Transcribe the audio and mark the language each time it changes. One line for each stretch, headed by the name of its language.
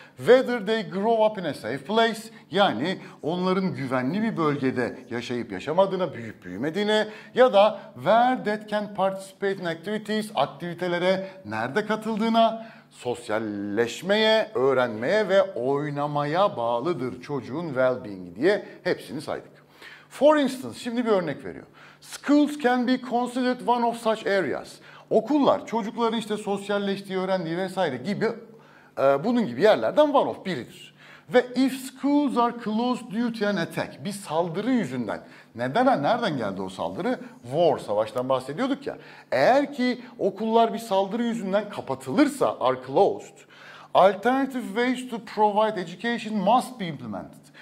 English: Whether they grow up in a safe place,
Turkish: yani onların güvenli bir bölgede yaşayıp yaşamadığına, büyüyüp büyümediğine ya da
English: where they can participate in activities,
Turkish: aktivitelere nerede katıldığına, sosyalleşmeye, öğrenmeye ve oynamaya bağlıdır çocuğun well-being diye hepsini saydık.
English: For instance,
Turkish: şimdi bir örnek veriyor.
English: Schools can be considered one of such areas.
Turkish: Okullar, çocukların işte sosyalleştiği, öğrendiği vesaire gibi bunun gibi yerlerden
English: one of
Turkish: biridir. Ve
English: if schools are closed due to an attack,
Turkish: bir saldırı yüzünden, neden, nereden geldi o saldırı? War, savaştan bahsediyorduk ya. Eğer ki okullar bir saldırı yüzünden kapatılırsa,
English: are closed, alternative ways to provide education must be implemented.